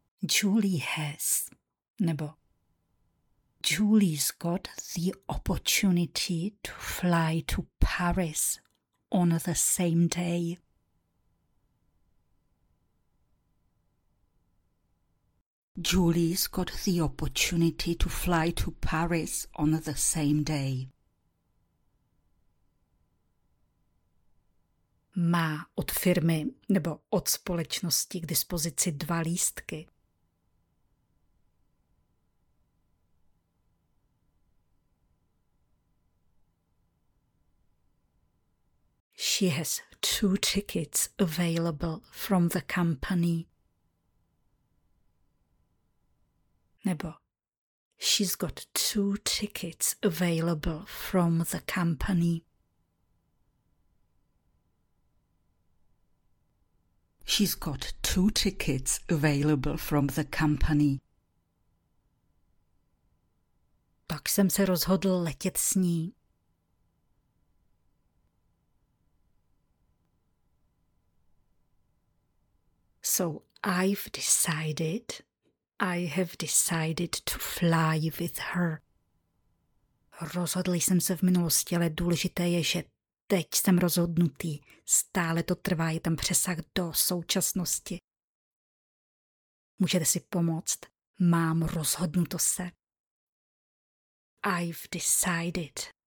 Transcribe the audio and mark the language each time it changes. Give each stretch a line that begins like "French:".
English: Julie has,
Czech: nebo
English: Julie's got the opportunity to fly to Paris on the same day. Julie's got the opportunity to fly to Paris on the same day.
Czech: Má od firmy nebo od společnosti k dispozici dva lístky.
English: She has two tickets available from the company.
Czech: Nebo
English: she's got two tickets available from the company. She's got two tickets available from the company.
Czech: Tak jsem se rozhodl letět s ní.
English: So I've decided, I have decided to fly with her.
Czech: Rozhodl jsem se v minulosti, ale důležité je, že teď jsem rozhodnutý. Stále to trvá, je tam přesah do současnosti. Můžete si pomoct, mám rozhodnuto se.
English: I've decided.